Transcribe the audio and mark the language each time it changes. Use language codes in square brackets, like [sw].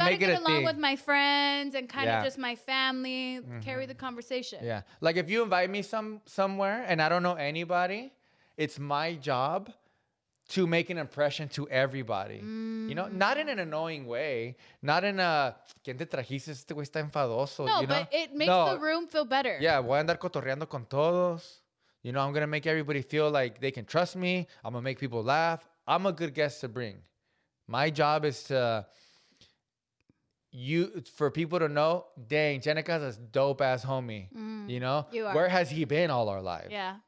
[en] Like, you gotta get along with my friends and kind of just my family, carry the conversation. Yeah, like if you invite me somewhere and I don't know anybody, it's my job to make an impression to everybody. Mm. You know, not in an annoying way, not in a, [es] ¿quién te trajiste este güey está enfadoso? [en] No, you know? But it makes the room feel better. [es] Yeah, voy a andar cotorreando con todos. [en] You know, I'm gonna make everybody feel like they can trust me. I'm gonna make people laugh. I'm a good guest to bring. My job is to... for people to know, dang, Jenica's a dope ass homie. You know, you are. Where has he been all our life? Yeah,